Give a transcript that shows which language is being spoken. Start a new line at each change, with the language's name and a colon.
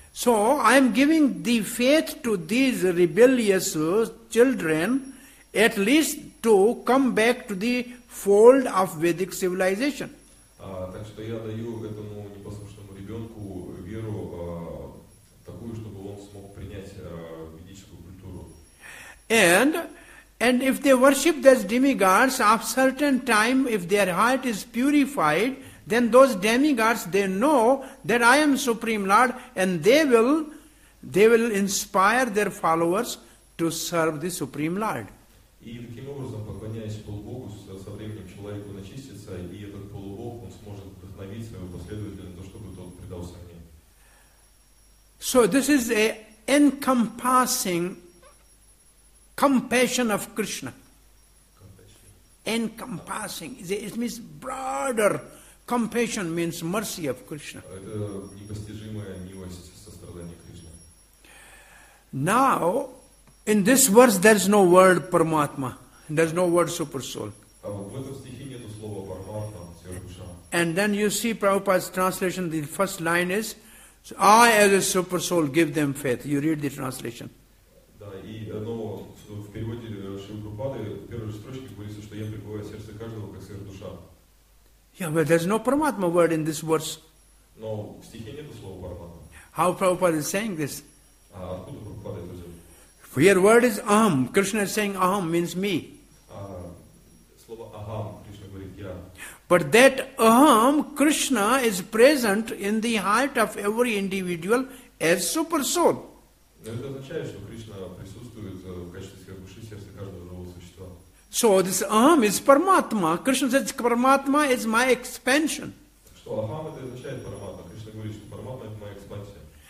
English: So I am giving the faith to these rebellious children, at least to come back to the fold of Vedic civilization.
Russian: Так что я даю этому непослушному ребенку веру такую, чтобы он смог принять ведическую культуру.
English: And if they worship those demigods, after certain time, if their heart is purified, then those demigods, they know that I am Supreme Lord, and they will inspire their followers to serve the Supreme Lord.
Russian: И таким образом, поклоняясь полубогу, со временем человек очистится, и этот полубог, он сможет вдохновить своего последователя на то, чтобы тот предался мне.
English: So this is an encompassing compassion of Krishna. Compassion. Encompassing. It means broader. Compassion means mercy of Krishna.
Russian: Это непостижимая милость, сострадание Кришны.
English: Now, in this verse, there is no word Paramatma. There is no word Super Soul.
Russian: В этом стихе нету слова Paramatma, Сверхдуша.
English: And then you see Prabhupada's translation, the first line is, I as a Super Soul give them faith. You read the translation.
Russian: Да, и одно в переводе Шрилы Прабхупады, в первой строчке говорится, что я пребываю в сердце каждого, как Сверхдуша.
English: Yeah, but there's no Paramatma word in this verse.
Russian: No, в стихе нету слова Paramatma.
English: How Prabhupada is saying this?
Russian: Откуда Прабхупада это взял?
English: Your word is aham. Krishna is saying aham means me.
Russian: Слово aham, Krishna говорит я.
English: But that aham, Krishna is present in the heart of every individual as super soul.
Russian: Это означает, что Krishna присутствует в качестве сверхдуши сердца каждого живого существа.
English: So this aham is Paramatma. Krishna says Paramatma is my expansion.
Russian: Что aham это означает Paramatma? Krishna говорит, что Paramatma это моя экспансия.